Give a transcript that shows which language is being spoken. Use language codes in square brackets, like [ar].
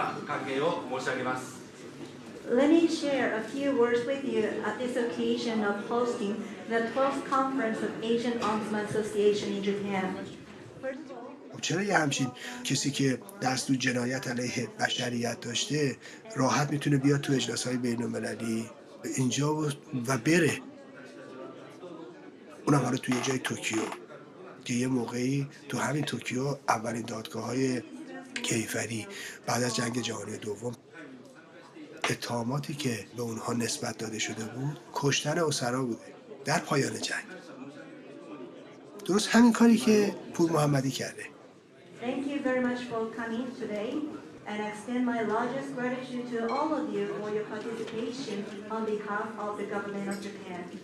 [en] Let me share a few words with you at this occasion of hosting the 12th Conference of Asian Ombudsman Association in Japan. [fa] چرا یه همچین کسی که دست تو جنایت علیه بشریت داشته راحت میتونه بیاد تو اجلاس های بین المللی اینجا و بره؟ اونم حالا توی جای توکیو که یه موقعی تو همین توکیو اولین دادگاه های کیفری بعد از جنگ جهانی دوم اتهاماتی که به اونها نسبت داده شده بود کشتن اسرا بوده در پایان جنگ. درست همین کاری که پور محمدی کرده. [en] Thank you very much for coming today and extend my largest gratitude to all of you for your participation on behalf of the government of Japan.